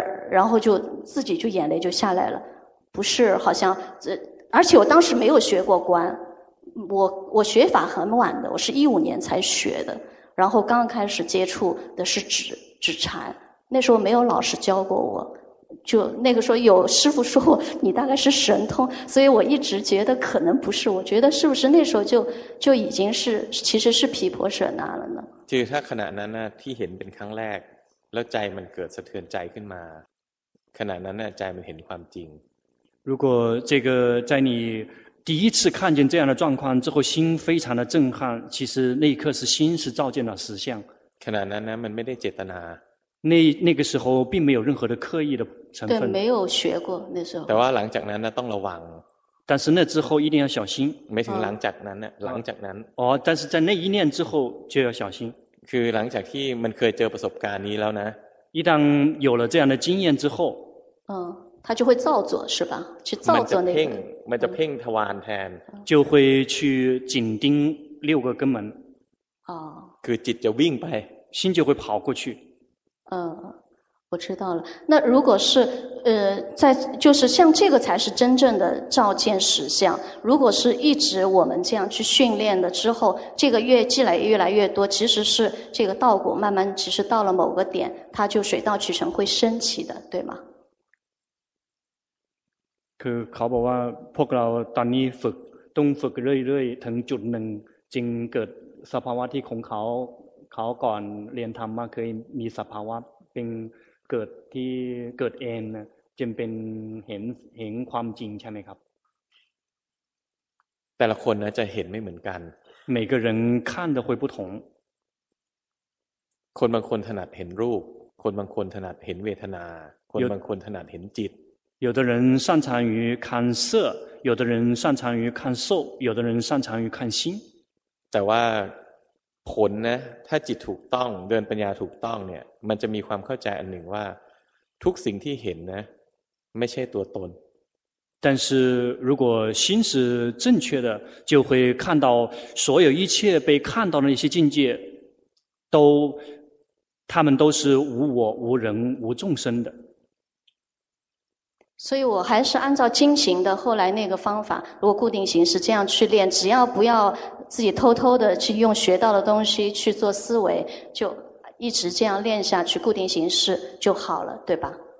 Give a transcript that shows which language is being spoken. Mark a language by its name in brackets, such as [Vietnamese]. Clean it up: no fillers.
[Chinese] 然后就自己就眼泪就下来了不是好像而且我当时没有学过观我学法很晚的我是2015年才学的然后刚开始接触的是指禅那时候没有老师教过我就那个时候有师父说我你大概是神通所以我一直觉得可能不是我觉得是不是那时候就已经是其实是毗婆舍那了呢就是他 [Thai] ขณะนั้นน่ะที่เห็นเป็นครั้งแรกแล้วใจมันเกิดสะเทือนใจขึ้นมาขณะนั้นน่ะใจมันเห็นความจริง [Chinese] 如果这个在你第一次看见这样的状况之后心非常的震撼其实那一刻是心是照见了实相 [Thai] ขณะนั้นน่ะมันไม่ได้เจตนา [Chinese] 那个时候并没有任何的刻意的成分对没有学过那时候 [Thai] แต่ว่าหลังจากนั้นน่ะต้องระวัง [Chinese] 但是那之后一定要小心 [Thai] ไม่ถึงหลังจากนั้นน่ะหลังจากนั้น [Chinese] 哦但是在那一念之后就要小心 [Thai] คือหลังจากที่มันเคยเจอประสบการณ์นี้แล้วนะ [Chinese] 一旦有了这样的经验之后他就会造作是吧去造作那个 [Thai] มันจะเพ่งทวารแทน [Chinese] 就会去紧盯六个根门 [Thai] คือจิตจะวิ่งไป [Chinese] 心就会跑过去我知道了。那如果是在就是像这个才是真正的照见实相。如果是一直我们这样去训练的之后，这个越积累越来越多，其实是这个道果慢慢其实到了某个点，它就水到渠成会升起的，对吗？ [Thai] คือเขาบอกว่าพวกเราตอนนี้ฝึกต้องฝึกเรื่อยๆถึงจุดหนึ่งจึงเกิดสภาวะที่ของเขาเขาก่อนเรียนธรรมมาเคยมีสภาวะเป็นเกิดที่เกิดเองนะจึงเป็นเห็นความจริงใช่ไหมครับ แต่ละคนนะจะเห็นไม่เหมือนกัน [Chinese] 每个人看的会不同 [Thai] คนบางคนถนัดเห็นรูปคนบางคนถนัดเห็นเวทนาคนบางคนถนัดเห็นจิต [Chinese] 有的人擅长于看色有的人擅长于看受有的人擅长于看心 [Thai] แต่ว่าผลนะถ้าจิตถูกต้องเดินปัญญาถูกต้องเนี่ยมันจะมีความเข้าใจอันหนึ่งว่าทุกสิ่งที่เห็นนะไม่ใช่ตัวตน [Chinese] 但是如果心是正确的就会看到所有一切被看到的那些境界都他们都是无我无人无众生的所以我还是按照经行的后来那个方法如果固定形式这样去练只要不要自己偷偷的去用学到的东西去做思维就一直这样练下去固定形式就好了对吧